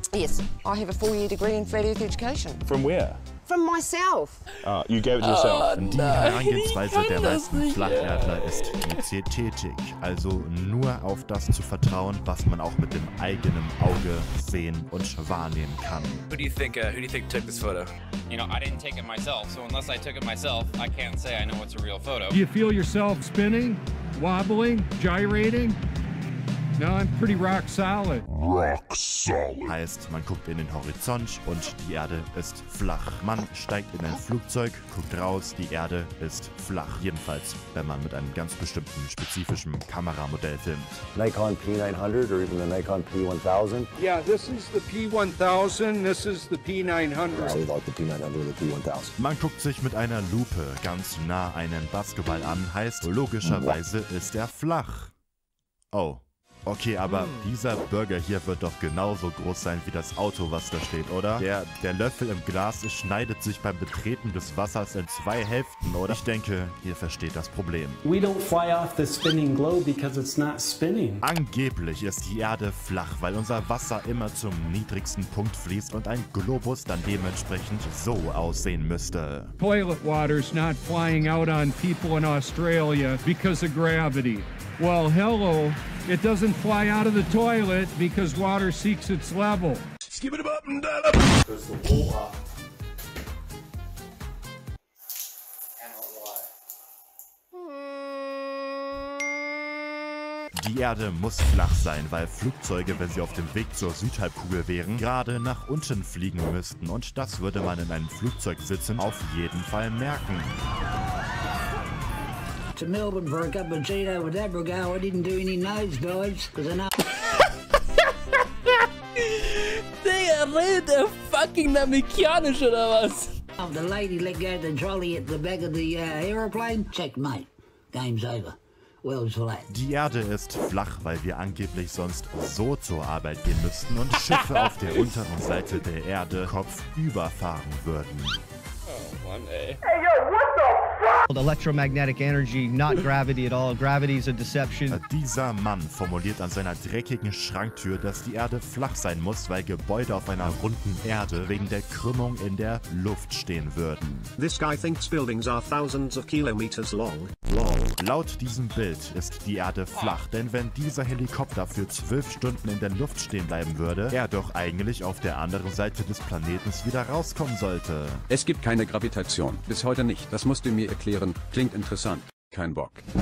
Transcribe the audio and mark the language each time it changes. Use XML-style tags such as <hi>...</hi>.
<en>Yes, I have a 4-year degree in creative education. From where? From myself. You gave it yourself.</en> <de>Die Herangehensweise der meisten Flacherdler ist diätetik, also nur auf das zu vertrauen, was man auch mit dem eigenen Auge sehen und wahrnehmen kann.</de> <en>Who do you think took this photo? You know, I didn't take it myself, so unless I took it myself, I can't say I know it's a real photo. Do you feel yourself spinning, wobbling, gyrating? No, I'm pretty rock solid. Rock solid.</en> <de>Heißt, man guckt in den Horizont und die Erde ist flach. Man steigt in ein Flugzeug, guckt raus, die Erde ist flach. Jedenfalls, wenn man mit einem ganz bestimmten spezifischen Kameramodell filmt.</de> <en>Nikon P900 or even the Nikon P1000? Yeah, this is the P1000, this is the P900. I like the P900 or the P1000.</en> <de>Man guckt sich mit einer Lupe ganz nah einen Basketball an, heißt, logischerweise ist er flach. Oh. Okay, aber dieser Burger hier wird doch genauso groß sein wie das Auto, was da steht, oder? Der Löffel im Glas schneidet sich beim Betreten des Wassers in zwei Hälften, oder? Ich denke, ihr versteht das Problem.</de> <en>We don't fly off the spinning globe because it's not spinning.</en> <de>Angeblich ist die Erde flach, weil unser Wasser immer zum niedrigsten Punkt fließt und ein Globus dann dementsprechend so aussehen müsste.</de> <en>Toilet water's not flying out on people in Australia because of gravity. Well, hello. It doesn't fly out of the toilet because water seeks its level. Skip it up and down up. Because the water.</en> <de>Die Erde muss flach sein, weil Flugzeuge, wenn sie auf dem Weg zur Südhalbkugel wären, gerade nach unten fliegen müssten. Und das würde man in einem Flugzeug sitzen auf jeden Fall merken.</de> <en>To Melbourne for a cup of Cheeto with Abrigo. I didn't do any nosedives because I know.</en> <de>Digga, redet der fucking Namekianisch oder was?</de> <en>The lady let go the trolley at the back of the aeroplane. Checkmate. Game's over.</en> <de>Die Erde ist flach, weil wir angeblich sonst so zur Arbeit gehen müssten und Schiffe auf der unteren Seite der Erde kopfüber fahren würden. Oh Mann, ey.</de> <en>Hey, yo, what the fuck? Electromagnetic energy, not gravity at all. Gravity is a deception.</en> <de>Dieser Mann formuliert an seiner dreckigen Schranktür, dass die Erde flach sein muss, weil Gebäude auf einer runden Erde wegen der Krümmung in der Luft stehen würden.</de> <en>This guy thinks buildings are thousands of kilometers long.</en> <de>Laut diesem Bild ist die Erde flach, denn wenn dieser Helikopter für 12 Stunden in der Luft stehen bleiben würde, er doch eigentlich auf der anderen Seite des Planeten wieder rauskommen sollte. Es gibt keine Gravitation. Bis heute nicht. Das musst du mir erklären. Klingt interessant. Kein Bock.</de>